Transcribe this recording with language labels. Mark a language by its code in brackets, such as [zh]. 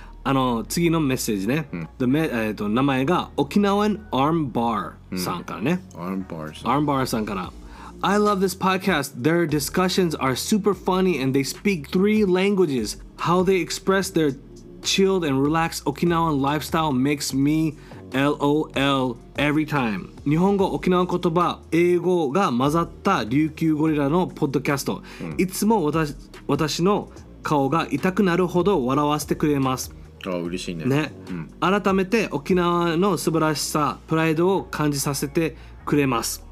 [en] あの次のメッセージね、うん、名前が沖縄のアームバーさんからね、ア [ja] ームバーさんから。 [en] I love this podcast. Their discussions are super funny and they speak three languages. How they express their chilled and relaxed Okinawan lifestyle makes me LOL every time. [ja] 日本語、沖縄言葉、英語が混ざった琉球ゴリラのポッドキャスト、いつも 私の顔が痛くなるほど笑わせてくれます。ああ嬉しい ね、ね、うん、改めて沖縄の素晴らしさ、プライドを感じさせてくれます、